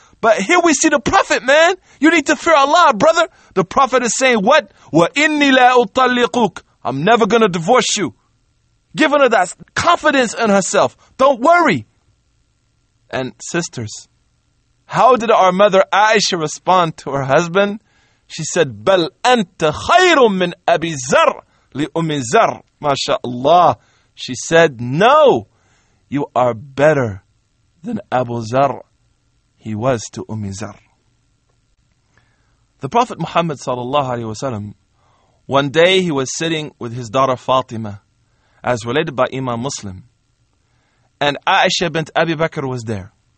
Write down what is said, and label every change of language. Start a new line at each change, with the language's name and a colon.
English: But here we see the Prophet, man. You need to fear Allah, brother. The Prophet is saying, what?
Arabic: وَإِنِّي لَا أُطَلِّقُكَ.
English: I'm never going to divorce you. Giving her that confidence in herself. Don't worry. And sisters, how did our mother Aisha respond to her husband? She said,
Arabic: بَلْ أَنْتَ خَيْرٌ مِّنْ أَبِي زَرْ لِأُمِّ زَرْ.
English: MashaAllah. She said, no, you are better than Abu Zar. He was to Ummi Zar. The Prophet Muhammad sallallahu alaihi wasallam, one day he was sitting with his daughter Fatima, as related by Imam Muslim, and Aisha bint Abi Bakr was there.